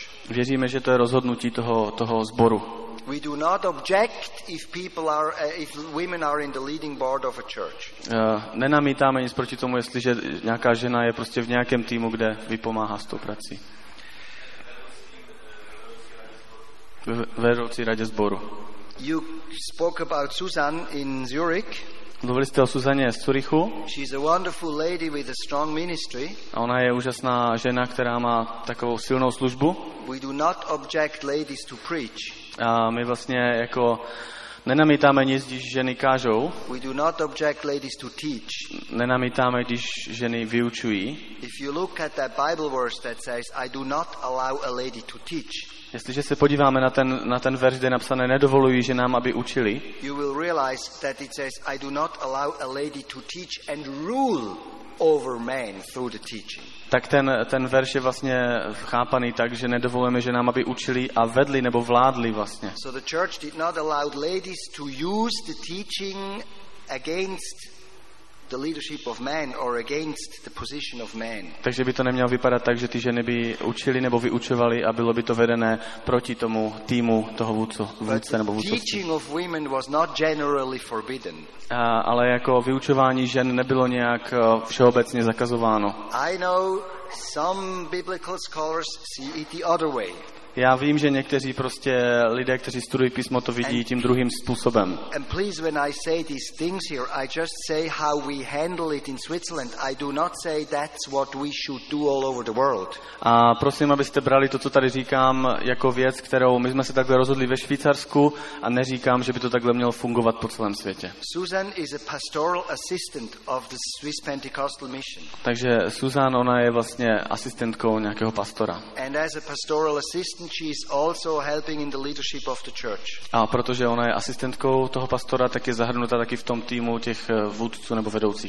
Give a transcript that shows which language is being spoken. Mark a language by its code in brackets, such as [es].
[cs] Věříme, že to je rozhodnutí toho sboru. [en] We do not object if women are in the leading board of a church. [cs] Nenamítáme nic proti tomu, jestliže nějaká žena je prostě v nějakém týmu, kde vypomáhá s tou prací. Ve vedoucí radě sboru. [en] You spoke about Susan in Zurich. [cs] Mluvili jste o Suzaně z Curychu. [en] She's a wonderful lady with a strong ministry. [cs] A ona je úžasná žena, která má takovou silnou službu. [en] We do not object ladies to preach. [cs] A my vlastně jako nenamítáme nic, když ženy kážou. [en] We do not object ladies to teach. [cs] Nenamítáme, když ženy vyučují. [en] If you look at that Bible verse that says I do not allow a lady to teach. [cs] Jestliže se podíváme na ten verš, kde je napsané nedovoluji ženám, aby učili. [en] You will realize that it says I do not allow a lady to teach and rule over men through the teaching. [cs] Tak ten verš je vlastně chápaný tak, že nedovolujeme ženám, aby učili a vedli nebo vládli vlastně. [en] So the church did not allow ladies to use the teaching against the leadership of men or against the position of men. [cs] Takže by to nemělo vypadat tak, že ty ženy by učili nebo vyučovali a bylo by to vedené proti tomu týmu toho vůdce nebo vůdcovství. [en] Teaching of women was not generally forbidden. [cs] Ale jako vyučování žen nebylo nějak všeobecně zakazováno. [en] I know some biblical scholars see it the other way. [cs] Já vím, že někteří prostě lidé, kteří studují písmo, to vidí tím druhým způsobem. [en] And please, when I say these things here, I just say how we handle it in Switzerland. I do not say that's what we should do all over the world. [cs] A prosím, abyste brali to, co tady říkám, jako věc, kterou my jsme se takhle rozhodli ve Švýcarsku, a neříkám, že by to takhle mělo fungovat po celém světě. [en] Susan is a pastoral assistant of the Swiss Pentecostal Mission. [cs] Takže Susan, ona je vlastně asistentkou nějakého pastora. [en] And as a pastoral assistant, she is also helping in the leadership of the church. [cs] A protože ona je asistentkou toho pastora, tak je zahrnuta taky v tom týmu těch vůdců nebo vedoucích.